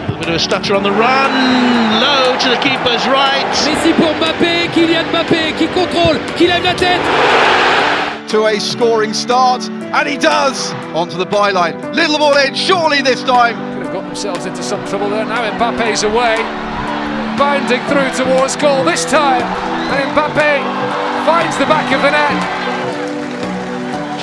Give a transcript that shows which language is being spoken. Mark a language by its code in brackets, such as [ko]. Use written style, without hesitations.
[en] A stutter on the run, low to the keeper's right. [fr] Messi pour Mbappé, Kylian Mbappé qui contrôle, qui lève la tête. [en] To a scoring start, and he does. Onto the byline, little ball in, surely this time. Could have got themselves into some trouble there. Now Mbappé's away, bounding through towards goal this time, and Mbappé finds the back of the net.